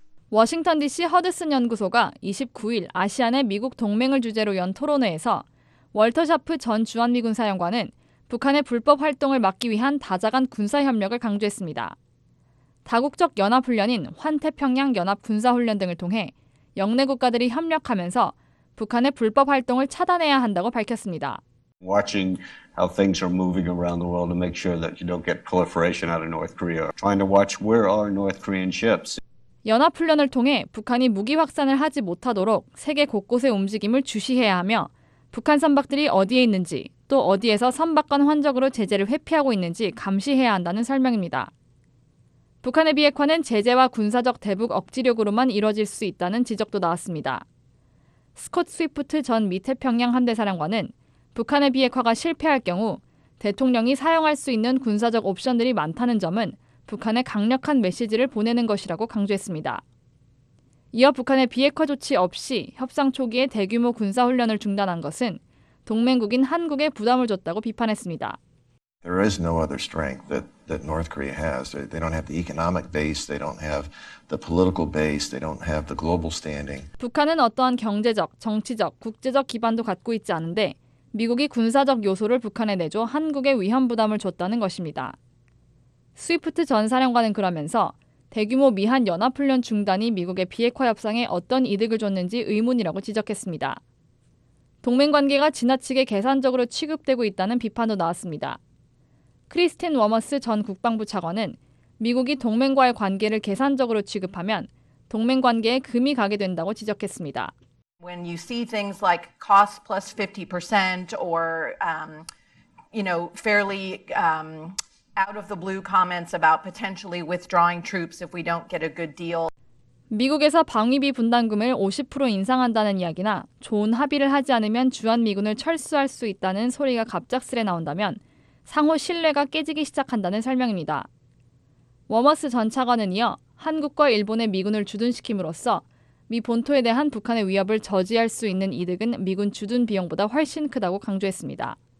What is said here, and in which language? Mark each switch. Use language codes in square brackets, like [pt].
[ko] 워싱턴 DC 허드슨 연구소가 29일 아시안의 미국 동맹을 주제로 연 토론회에서 월터 샤프 전 주한미군 사령관은 북한의 불법 활동을 막기 위한 다자간 군사협력을 강조했습니다. 다국적 연합훈련인 환태평양 연합군사훈련 등을 통해 영내 국가들이 협력하면서 북한의 불법 활동을 차단해야 한다고 밝혔습니다. [en] Watching how things are moving around the world to make sure that you don't get proliferation out of North Korea. Trying to watch where are North Korean ships. [ko] 연합훈련을 통해 북한이 무기 확산을 하지 못하도록 세계 곳곳의 움직임을 주시해야 하며 북한 선박들이 어디에 있는지 또 어디에서 선박관 환적으로 제재를 회피하고 있는지 감시해야 한다는 설명입니다. 북한의 비핵화는 제재와 군사적 대북 억지력으로만 이뤄질 수 있다는 지적도 나왔습니다. 스콧 스위프트 전 미태평양 함대사령관은 북한의 비핵화가 실패할 경우 대통령이 사용할 수 있는 군사적 옵션들이 많다는 점은 북한에 강력한 메시지를 보내는 것이라고 강조했습니다. 이어 북한의 비핵화 조치 없이 협상 초기에 대규모 군사훈련을 중단한 것은 동맹국인 한국에 부담을 줬다고 비판했습니다. [en] There is no other strength that North Korea has. They don't have the economic base, they don't have the political base, they don't have the global standing. [ko] 북한은 어떠한 경제적, 정치적, 국제적 기반도 갖고 있지 않은데 미국이 군사적 요소를 북한에 내줘 한국에 위험 부담을 줬다는 것입니다. 스위프트 전 사령관은 그러면서 대규모 미한 연합훈련 중단이 미국의 비핵화 협상에 어떤 이득을 줬는지 의문이라고 지적했습니다. 동맹관계가 지나치게 계산적으로 취급되고 있다는 비판도 나왔습니다. 크리스틴 워머스 전 국방부 차관은 미국이 동맹과의 관계를 계산적으로 취급하면 동맹관계에 금이 가게 된다고 지적했습니다. [en] When you see things like cost plus 50% or you know, fairly out of the blue comments about potentially withdrawing troops if we don't get a good deal. [ko] 미국에서 방위비 분담금을 50% 인상한다는 이야기나 좋은 합의를 하지 않으면 주한미군을 철수할 수 있다는 소리가 갑작스레 나온다면 상호 신뢰가 깨지기 시작한다는 설명입니다. 워머스 전 차관은 이어 한국과 일본의 미군을 주둔시킴으로써 미 본토에 대한 북한의 위협을 저지할 수 있는 이득은 미군 주둔 비용보다 훨씬 크다고 강조했습니다.